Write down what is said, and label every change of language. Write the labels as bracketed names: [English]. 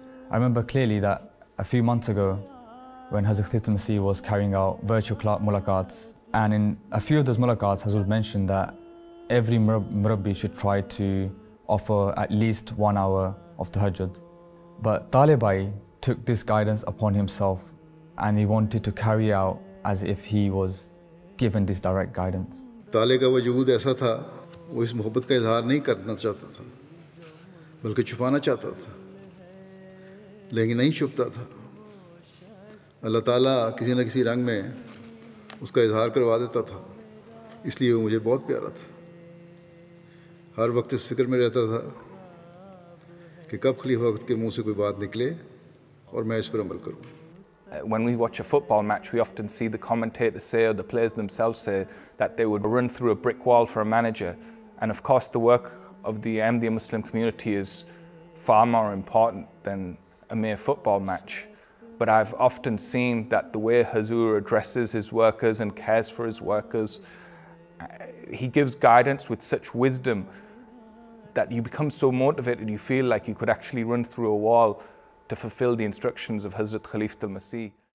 [English] I remember clearly that a few months ago, when Hazrat Khalifa Masih was carrying out virtual mulaqats, and in a few of those mulaqats, Hazrat mentioned that every murabbi should try to offer at least 1 hour of tahajjud. But Talibai took this guidance upon himself and he wanted to carry out as if he was given this direct guidance. [Urdu] تالے کا وجود ایسا تھا وہ اس محبت کا اظہار نہیں کرنا چاہتا تھا بلکہ چھپانا چاہتا تھا لیکن نہیں چھپتا تھا اللہ تعالیٰ کسی نہ کسی رنگ میں اس کا اظہار کروا دیتا تھا اس لیے وہ مجھے بہت پیارا تھا ہر وقت اس فکر میں رہتا تھا کہ کب خلیفہ وقت کے منہ سے کوئی بات نکلے اور میں اس پر عمل کروں. [English] When we watch a football match, we often see the commentators say, or the players themselves say, that they would run through a brick wall for a manager. And of course, the work of the Ahmadiyya Muslim community is far more important than a mere football match. But I've often seen that the way Huzoor addresses his workers and cares for his workers, he gives guidance with such wisdom that you become so motivated, you feel like you could actually run through a wall to fulfill the instructions of Hazrat Khalifa Masih.